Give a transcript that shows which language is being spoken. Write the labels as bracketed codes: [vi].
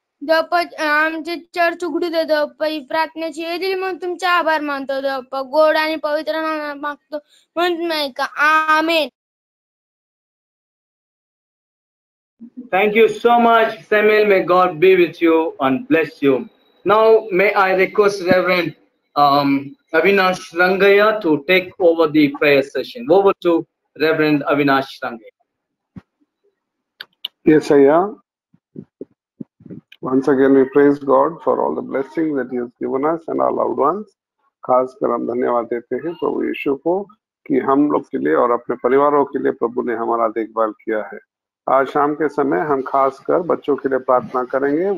[mr] आमचे चर्च उघडू देतो प्रार्थनेची हे दिली म्हणून तुमचे आभार मानतो गोड आणि पवित्र मागतो म्हणून आमेन. [en] Thank you so much, Samuel. May God be with you and bless you. Now, may I request Reverend Avinash Rangaya to take over the prayer session. Over to Reverend Avinash Rangaya. Yes, I am. Once again, we praise God for all the blessings that He has given us and our loved ones. [hi] खास कर हम धन्यवाद देते हैं प्रभु यीशु को कि हम लोग के लिए और अपने परिवारों के लिए प्रभु ने हमारा देखभाल किया है. आज शाम के समय हम खास कर बच्चों के लिए प्रार्थना करेंगे.